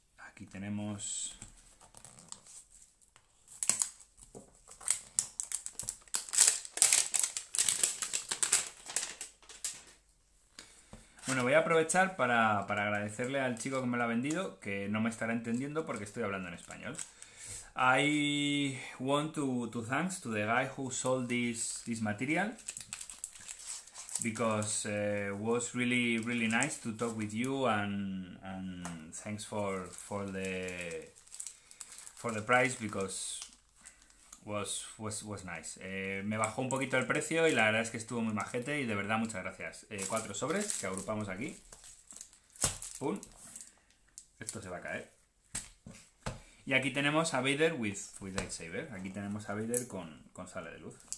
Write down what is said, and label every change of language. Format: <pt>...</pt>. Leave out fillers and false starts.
<es>Aquí tenemos Bueno, voy a aprovechar para agradecerle al chico que me lo ha vendido, que no me estará entendiendo porque estoy hablando en español.</es> <en>I want to thanks to the guy who sold this material, because was really, really nice to talk with you, and thanks for the price, because was nice.</en> <es>Me bajó un poquito el precio y la verdad es que estuvo muy majete y de verdad muchas gracias. Cuatro sobres que agrupamos aquí. ¡Pum! Esto se va a caer. Y aquí tenemos a Vader</es> <en>with lightsaber.</en> <es>Aquí tenemos a Vader con sable de luz.</es>